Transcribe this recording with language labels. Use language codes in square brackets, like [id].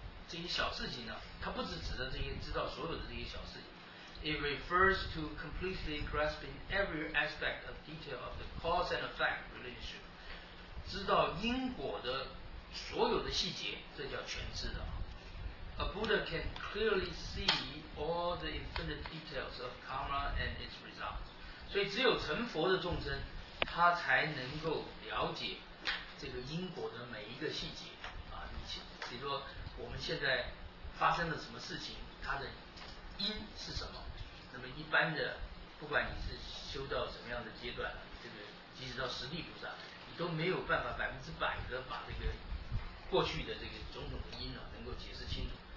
[zh] 这些小事情呢，它不只指的这些知道所有的这些小事情。 [en] It refers to completely grasping every aspect of detail of the cause and effect relationship. [zh] 知道因果的所有的细节，这叫全知的。 [en] A Buddha can clearly see all the infinite details of karma and its results. [zh] 所以只有成佛的众生他才能够了解这个因果的每一个细节啊，比如说我们现在发生了什么事情，它的因是什么？那么一般的，不管你是修到什么样的阶段，这个即使到实地菩萨，你都没有办法百分之百的把这个过去的这个种种的因啊能够解释清楚。